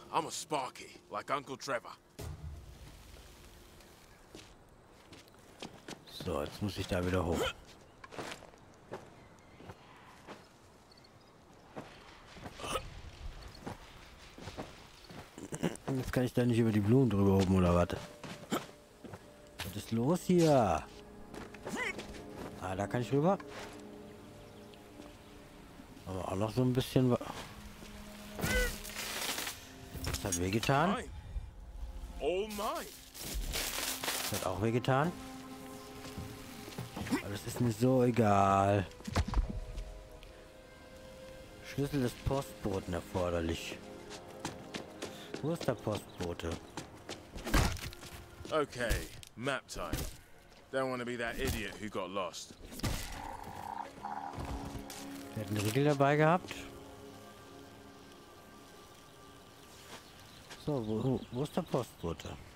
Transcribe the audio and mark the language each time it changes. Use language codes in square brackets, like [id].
[en] I'm a Sparky, like Uncle Trevor. [de] So, jetzt muss ich da wieder hoch. Jetzt kann ich da nicht über die Blumen drüber hoben, oder was? Was ist los hier? Ah, da kann ich rüber. Aber auch noch so ein bisschen... Das hat wehgetan. Oh mein! Das hat auch wehgetan. Aber das ist mir so egal. Schlüssel des Postboten erforderlich. Wo ist der Postbote? [en] Okay, Map time. Don't want to be that idiot who got lost. [de] Er hat einen Riegel dabei gehabt. So, wo ist der Postbote?